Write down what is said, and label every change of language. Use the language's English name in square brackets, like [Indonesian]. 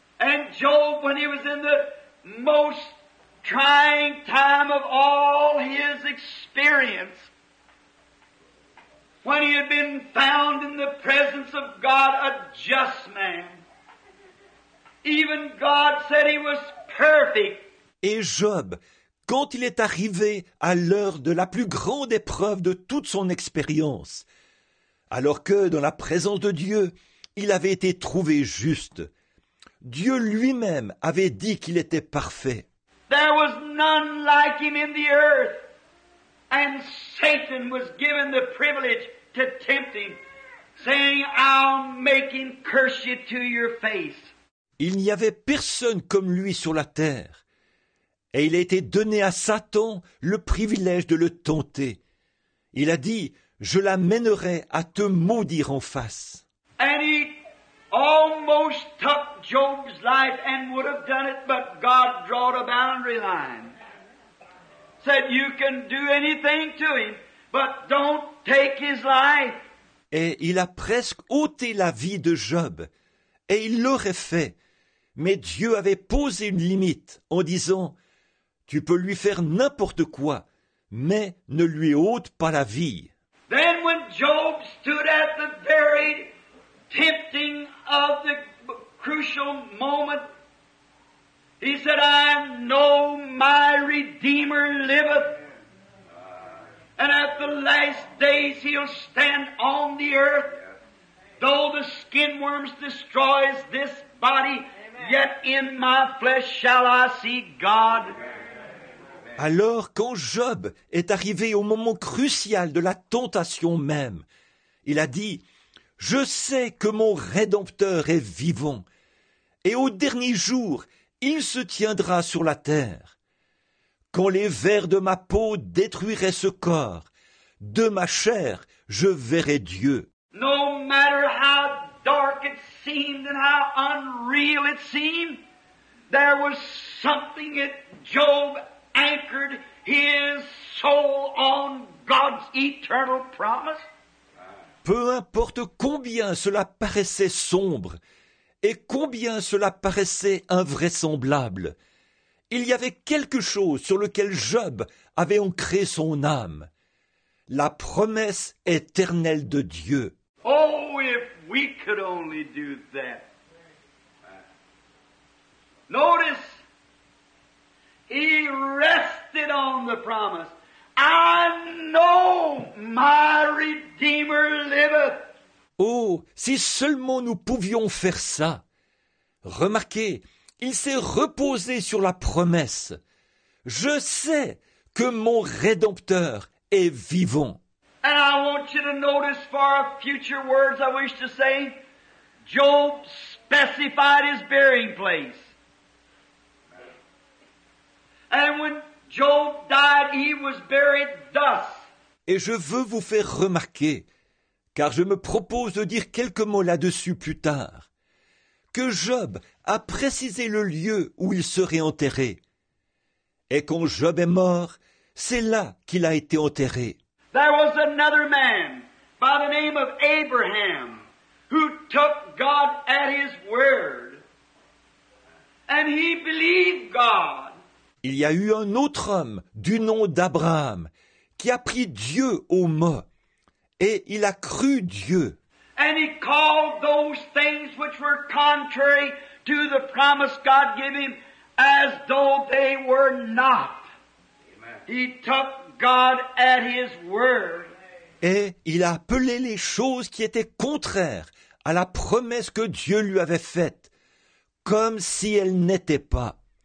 [English] And Job, when he was in the most trying time of all his experience, when he had been found in the presence of God, a just man, even God said he was perfect. [French] Et Job, quand il est arrivé à l'heure de la plus grande épreuve de toute son expérience, alors que dans la présence de Dieu, il avait été trouvé juste, Dieu lui-même avait dit qu'il était parfait. [English] There was none like him in the earth, and Satan was given the privilege to tempt him, saying, I'll make him curse you to your face. [French] Il n'y avait personne comme lui sur la terre, et il a été donné à Satan le privilège de le tenter. Il a dit, « Je l'amènerai à te maudire en face. » [English] And he almost took Job's life and would have done it, but God drawed a boundary line. Said, you can do anything to him, but don't take his life. [French] Et il a presque ôté la vie de Job, et il l'aurait fait. Mais Dieu avait posé une limite en disant, « Tu peux lui faire n'importe quoi, mais ne lui ôte pas la vie. » [English] Then when Job stood at the very tempting of the crucial moment, he said, I know my Redeemer liveth, and at the last days he'll stand on the earth. Though the skin worms destroys this body, yet in my flesh shall I see God. [French] Alors, quand Job est arrivé au moment crucial de la tentation même, il a dit, « Je sais que mon Rédempteur est vivant, et au dernier jour, il se tiendra sur la terre. Quand les vers de ma peau détruiraient ce corps, de ma chair, je verrai Dieu. » [English] No matter how dark it seemed and how unreal it seemed, there was something that Job anchored his soul on God's eternal promise. [French] Peu importe combien cela paraissait sombre et combien cela paraissait invraisemblable, il y avait quelque chose sur lequel Job avait ancré son âme, la promesse éternelle de Dieu. [English] Oh, if we could only do that. Notice, he rested on the promise. I know my Redeemer liveth. [French] Oh, si seulement nous pouvions faire ça. Remarquez, il s'est reposé sur la promesse. Je sais que mon Rédempteur est vivant. [English] And I want you to notice for our future words I wish to say, Job specified his burying place. And when Job died, he was buried thus. [French] Et je veux vous faire remarquer, car je me propose de dire quelques mots là-dessus plus tard, que Job a précisé le lieu où il serait enterré. Et quand Job est mort, c'est là qu'il a été enterré. [English] There was another man by the name of Abraham who took God at his word and he believed God. [French] Il y a eu un autre homme du nom d'Abraham qui a pris Dieu au mot et il a cru Dieu. [English] And he called those things which were contrary to the promise God gave him as though they were not. Amen. He took God at his word. [French] Et il a appelé les choses qui étaient contraires à la promesse que Dieu lui avait faite, comme si elles n'étaient pas.